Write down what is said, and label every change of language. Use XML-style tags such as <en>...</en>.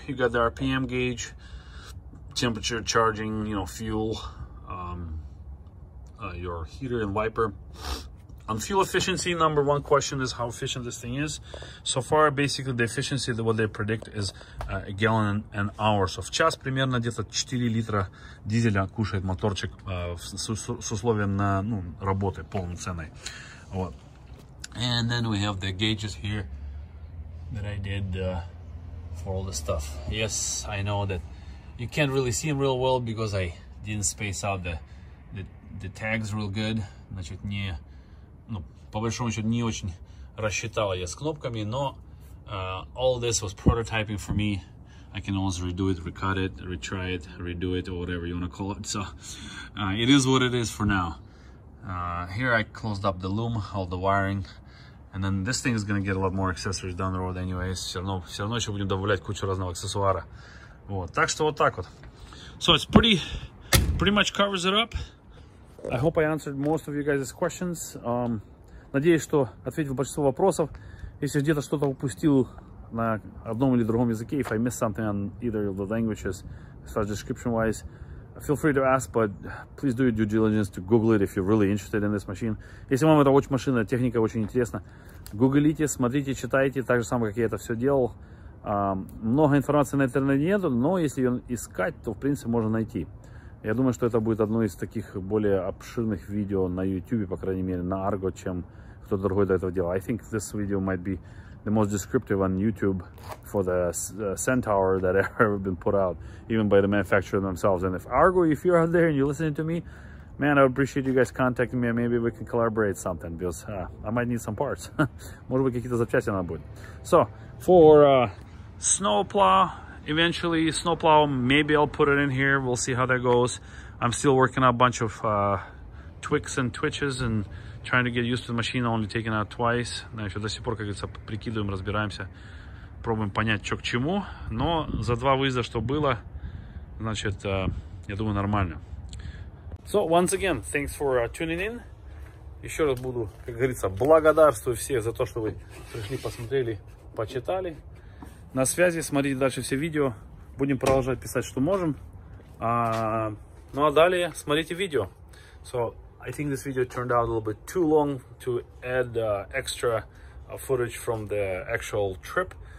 <en>You got the RPM gauge. Temperature, charging, you know, fuel, your heater and wiper. On fuel efficiency, number one question is how efficient this thing is. So far, basically, the efficiency, what they predict is a gallon an hour.</en> <ru>So, в час примерно где-то 4 литра дизеля кушает моторчик с условием на, ну, работы полноценной. Вот.</ru> <en>And then we have the gauges here that I did for all the stuff. Yes, I know that you can't really see them real well because I didn't space out the tags real good.</en> <ru>Значит, не, ну, по большому счету, не очень рассчитал я с кнопками, но</ru> <en>all this was prototyping for me. I can always redo it, recut it, retry it, redo it, or whatever you want to call it. So it is what it is for now. Here I closed up the loom, all the wiring. And then this thing is going to get a lot more accessories down the road anyways.</en> <ru>Все равно еще будем добавлять кучу разного аксессуара. Вот, так что вот так вот.</ru> <en>So it's pretty much covers it up. I hope I answered most of you guys' questions.</en> <ru>Надеюсь, что ответил большинство вопросов. Если где-то что-то упустил на одном или другом языке,</ru> <en>if I missed something on either of the languages, as far as description-wise, feel free to ask, but please do your due diligence to Google it if you're really interested in this machine.</en> <ru>Если вам эта машина, техника очень интересна, гуглите, смотрите, читайте, так же самое, как я это все делал. Много информации на интернете нету, но если ее искать, то в принципе можно найти. Я думаю, что это будет одно из таких более обширных видео на YouTube, по крайней мере, на Argo, чем кто-то другой до этого делал.</ru> <en>I think this video might be the most descriptive on YouTube for the Centaur that ever been put out, even by the manufacturer themselves. And if Argo, if you're out there and you're listening to me, man, I would appreciate you guys contacting me, and maybe we can collaborate something, because I might need some parts.</en> <ru>Может быть, какие-то запчасти надо будет.</ru> <en>So, for snowplow, eventually, snowplow, maybe I'll put it in here, we'll see how that goes. I'm still working on a bunch of tweaks and twitches, and trying to get used to the machine, only taking out twice.</en> <ru>Значит, до сих пор, как говорится, прикидываем, разбираемся. попробуем понять, что к чему. Но за два выезда, что было, значит, я думаю, нормально.</ru> <en>So, once again, thanks for tuning in.</en> <ru>Еще раз буду, как говорится, благодарствую всех за то, что вы пришли, посмотрели, почитали. На связи, смотрите дальше все видео. Будем продолжать писать, что можем. Ну а далее смотрите видео.</ru> <en>So, I think this video turned out a little bit too long to add extra footage from the actual trip.</en>